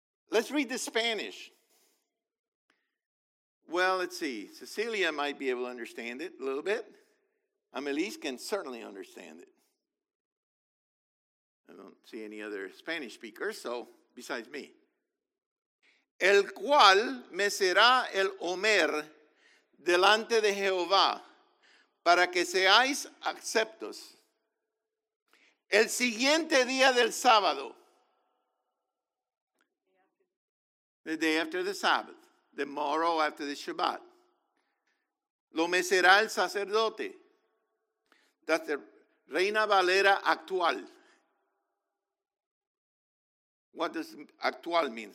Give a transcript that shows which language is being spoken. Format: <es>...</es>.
<en>Let's read the Spanish. Well, let's see. Cecilia might be able to understand it a little bit. Amelise can certainly understand it. I don't see any other Spanish speakers, so besides me.</en> <es>El cual me será el Omer delante de Jehová para que seáis aceptos. El siguiente día del sábado.</es> <en>The day after the Sabbath. The morrow after the Shabbat.</en> <es>Lo me será el sacerdote.</es> <en>That's the Reina Valera actual. What does actual mean?</en>